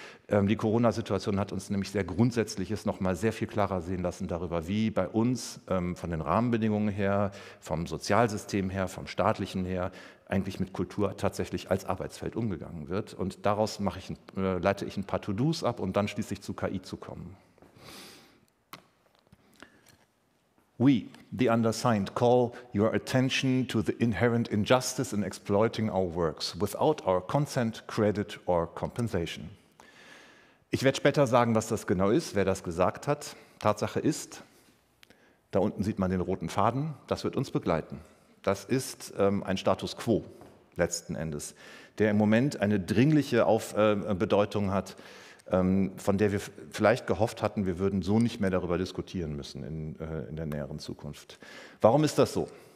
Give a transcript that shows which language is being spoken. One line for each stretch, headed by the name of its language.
German: Die Corona-Situation hat uns nämlich sehr Grundsätzliches noch mal sehr viel klarer sehen lassen darüber, wie bei uns von den Rahmenbedingungen her, vom Sozialsystem her, vom staatlichen her eigentlich mit Kultur tatsächlich als Arbeitsfeld umgegangen wird. Und daraus leite ich ein paar To-Dos ab, um dann schließlich zu KI zu kommen.
English: We, the undersigned, call your attention to the inherent injustice in exploiting our works without our consent, credit or compensation.
German: Ich werde später sagen, was das genau ist, wer das gesagt hat. Tatsache ist, da unten sieht man den roten Faden, das wird uns begleiten. Das ist ein Status quo letzten Endes, der im Moment eine dringliche Bedeutung hat, von der wir vielleicht gehofft hatten, wir würden so nicht mehr darüber diskutieren müssen in der näheren Zukunft. Warum ist das so?